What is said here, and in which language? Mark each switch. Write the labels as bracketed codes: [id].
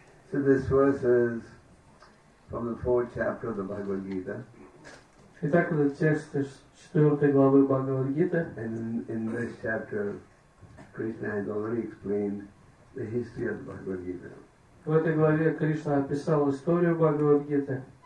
[en] So this verse is from the fourth chapter of the Bhagavad Gita. [ru] Итак, этот текст из четвертой главы Бхагавад Гиты. [en] And in this chapter, Krishna has already explained the history of the Bhagavad Gita. [ru] В этой главе Кришна описал историю Бхагавад Гиты.